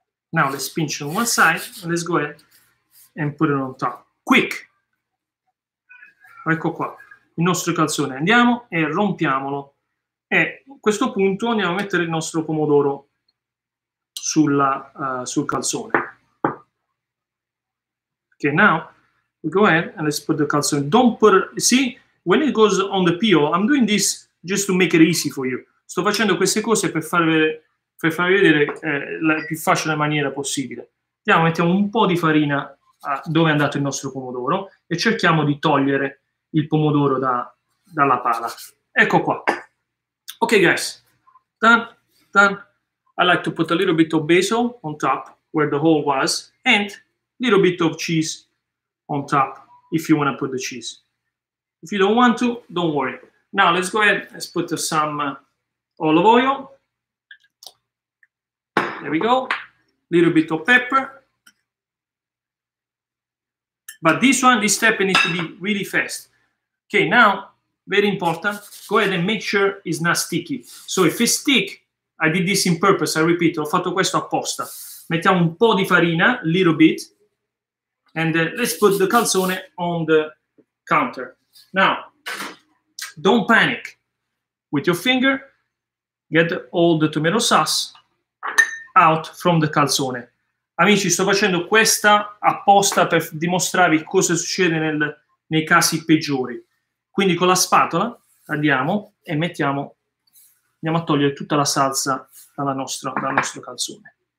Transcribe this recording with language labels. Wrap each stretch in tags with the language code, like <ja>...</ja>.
<en>Now let's pinch on one side, let's go ahead and put it on top. Quick!</en> <it>Ecco qua, il nostro calzone. Andiamo e rompiamolo. E a questo punto andiamo a mettere il nostro pomodoro sul calzone.</it> <en>Okay, now we go ahead and let's put the calzone. Don't put it, see, when it goes on the peel, I'm doing this just to make it easy for you.</en> <it>Sto facendo queste cose per farvi vedere la più facile maniera possibile. Andiamo, mettiamo un po' di farina dove è andato il nostro pomodoro e cerchiamo di togliere il pomodoro dalla pala. Ecco qua.</it> <en>Ok, guys. Done. Then I like to put a little bit of basil on top where the hole was and a little bit of cheese on top if you want to put the cheese. If you don't want to, don't worry. Now let's go ahead, let's put some olive oil. There we go. Little bit of pepper. But this one, this step needs to be really fast. Okay, now, very important, go ahead and make sure it's not sticky. So if it's stick, I did this in purpose, I repeat,</en> <it>ho fatto questo apposta. Mettiamo un po' di farina,</it> <en>little bit, and let's put the calzone on the counter. Now, don't panic. With your finger, get all the tomato sauce out from the calzone.</en> <it>Amici, sto facendo questa apposta per dimostrarvi cosa succede nei casi peggiori. Quindi con la spatola andiamo e andiamo a togliere tutta la salsa dal nostro calzone.</it>